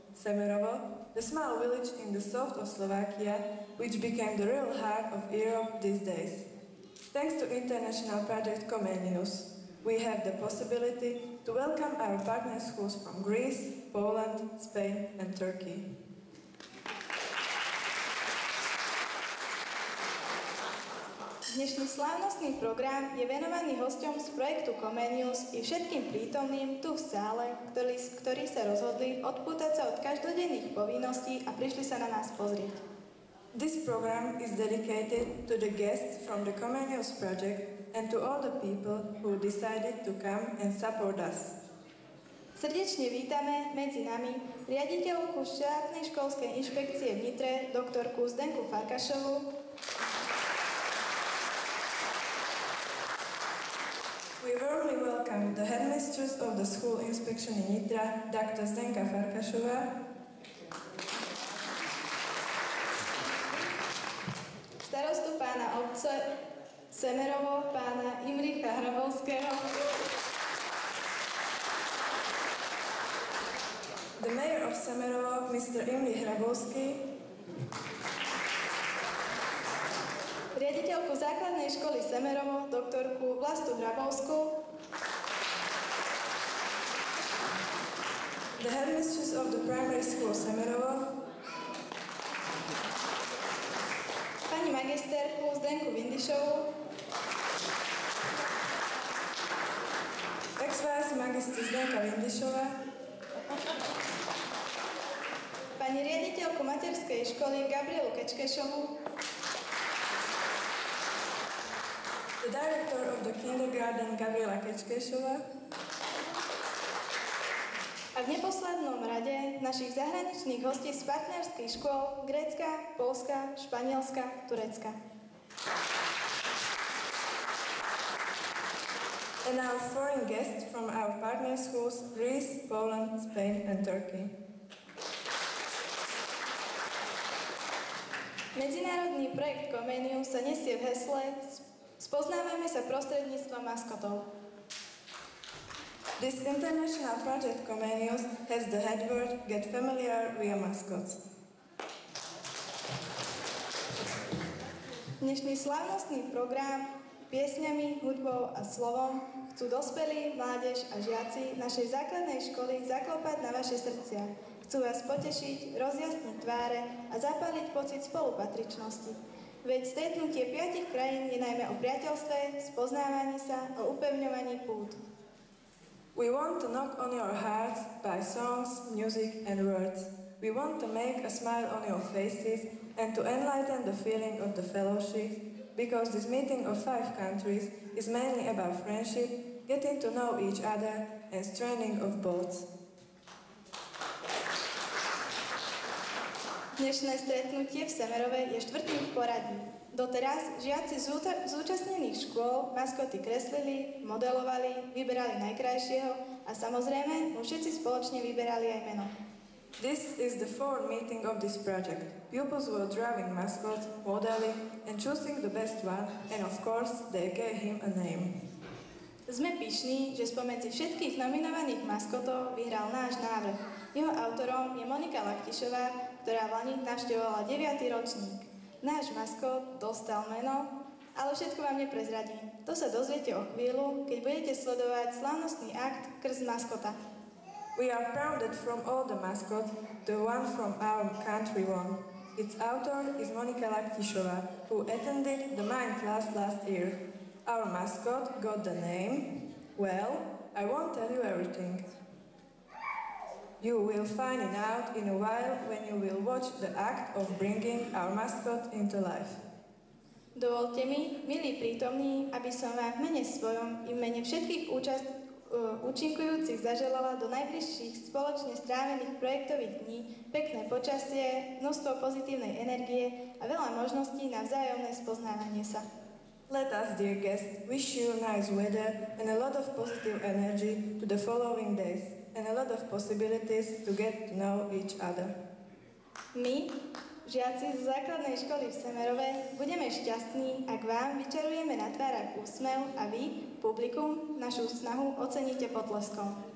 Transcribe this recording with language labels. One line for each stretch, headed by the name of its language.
English: Semerovo, the small village in the south of Slovakia, which became the real heart of Europe these days. Thanks to international project Comenius, we have the possibility to welcome our partner schools from Greece, Poland, Spain and Turkey.
Slovak: Dnešný slávnostný program je venovaný hosťom z projektu Comenius i všetkým prítomným tu v sále, ktorí sa rozhodli odpútať sa od každodenných povinností a prišli sa na nás pozrieť.
English: This program is dedicated to the guests from the Comenius project and to all the people who decided to come and support us.
Slovak: Srdečne vítame medzi nami riaditeľku štátnej školskej inšpekcie v Nitre, doktorku Zdenku Farkašovu.
English: We warmly welcome the headmistress of the school inspection in Nitra, Dr. Zdenka Farkašová.
Slovak: Starostu pána obce Semerovo, pána Imricha Hrabovského.
English: The mayor of Semerovo, Mr. Imrich Hrabovský.
Slovak: Riaditeľku základnej školy Semerovo, doktorku Vlastu Hrabovskú.
English: The headmistress of the primary school Semerovo.
Slovak: Pani magisterku Zdenku Vindišovú. Ex-vás magister Zdenka Vindišová. Pani riaditeľku materskej školy Gabrielu Kečkešovú.
English: The director of the kindergarten, Gabriela Kečkešová.
Slovak: A v neposlednom rade našich zahraničných hostí z partnerských škôl Grécka, Poľska, Španielska, Turecka.
English: And our foreign guests from our partner schools Greece, Poland, Spain and Turkey.
Slovak: Medzinárodný projekt Comenius sa nesie v hesle Spoznávame sa prostredníctvom maskotov.
English: This international project Comenius has the headword Get Familiar via Mascots.
Slovak: Dnešný slavnostný program piesňami, hudbou a slovom chcú dospelí, mládež a žiaci našej základnej školy zaklopať na vaše srdcia. Chcú vás potešiť, rozjasniť tváre a zapáliť pocit spolupatričnosti. Veď stretnutie piatich krajín je najmä o priateľstve, spoznávaní sa, o upevňovaní pút.
English: We want to knock on your hearts by songs, music and words. We want to make a smile on your faces and to enlighten the feeling of the fellowship, because this meeting of five countries is mainly about friendship, getting to know each other and strengthening of bonds.
Slovak: Dnešné stretnutie v Semerove je štvrtým v poradí. Doteraz žiaci z účastnených škôl maskoty kreslili, modelovali, vyberali najkrajšieho a samozrejme mu všetci spoločne vyberali aj meno.
English: This is the fourth meeting of this project. Pupils were drawing mascots, modeling and choosing the best one and of course they gave him a name.
Slovak: Sme pyšní, že spomedzi všetkých nominovaných maskotov vyhral náš návrh. Jeho autorom je Monika Laktišová, ktorá vlani navštevovala 9. ročník. Náš maskot dostal meno, ale všetko vám neprezradím. To sa dozviete o chvíľu, keď budete sledovať slávnostný akt krz maskota.
English: We are proud that from all the mascots, the one from our country won. Its author is Monika Laktišová, who attended the mine class last year. Our mascot got the name. Well, I won't tell you everything. You will find it out in a while when you will watch the act of bringing our mascot into life.
Slovak: Dovolte mi, milí prítomní, aby som vám v mene svojom i v mene všetkých účinkujúcich zaželala do najbližších spoločne strávených projektových dní pekné počasie, množstvo pozitívnej energie a veľa možností na vzájomné spoznávanie sa.
English: Let us, dear guests, wish you nice weather and a lot of positive energy to the following days. And a lot of possibilities to get to know each other.
Slovak: My, Žiaci z základnej školy v Semerove, budeme šťastní, ak vám vyčarujeme na tvárach úsmev a vy, publikum, našu snahu oceníte potleskom.